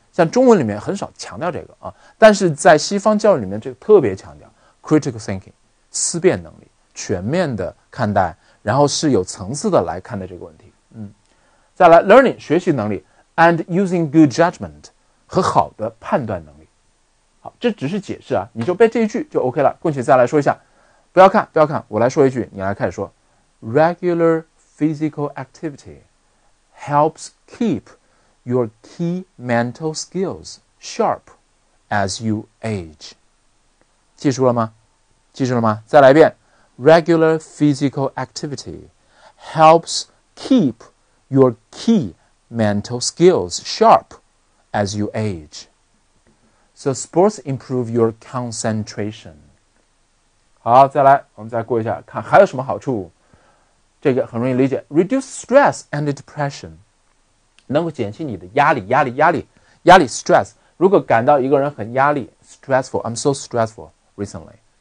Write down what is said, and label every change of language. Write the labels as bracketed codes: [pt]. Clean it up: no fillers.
[zh] 像中文里面很少强调这个啊，但是在西方教育里面这个特别强调 critical thinking， 思辨能力，全面的看待，然后是有层次的来看待这个问题。再来 learning 学习能力 [en] and using good judgment [zh] 和好的判断能力。好，这只是解释啊，你就背这一句就 OK 了。并且再来说一下，不要看，不要看，我来说一句，你来开始说。 [en] Regular physical activity helps keep your key mental skills sharp as you age。 [zh] 记住了吗？记住了吗？再来一遍。 [en] Regular physical activity helps keep your key mental skills sharp as you age. So sports improve your concentration. [zh] 好，再来，我们再过一下，看还有什么好处。这个很容易理解， [en] reduce stress and depression， [zh] 能够减轻你的压力，压力，压力，压力 ，stress。如果感到一个人很压力 ，stressful， [en] I'm so stressful recently.